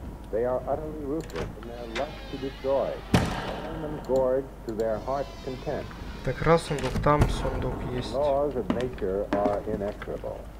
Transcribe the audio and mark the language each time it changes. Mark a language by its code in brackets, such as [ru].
[en] They are utterly ruthless in their lust to destroy. Turn them gorged to their heart's content. [ru] Так раз сундук там, сундук есть. [en] Laws of nature are inexorable.